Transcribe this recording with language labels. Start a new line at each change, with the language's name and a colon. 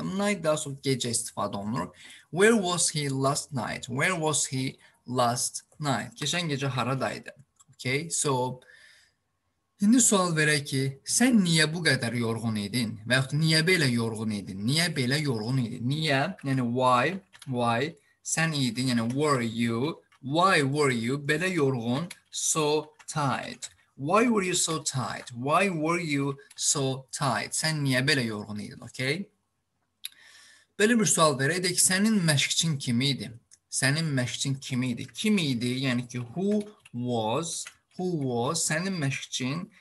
Azerbaijani: Night daha sonra gecə istifadə olunur.
English: Where was he last night, where was he last night,
Azerbaijani: keçən gecə haradaydı. Okay, so, indi sual verək ki, sən niyə bu qədər yorğun idin? Və yaxud niyə belə yorğun idin? Niyə belə yorğun idin? Niyə, yəni why? Sən idin, yəni
English: were you, why were you
Azerbaijani: belə yorğun,
English: so tired? Why were you so tired? Why were you so tired?
Azerbaijani: Sən niyə belə yorğun idin, okay? Belə bir sual verək de ki, sənin məşqçin kim idi? Sənin məşqçin kim idi? Kim idi? Yəni ki,
English: who was,
Azerbaijani: sənin məşqçin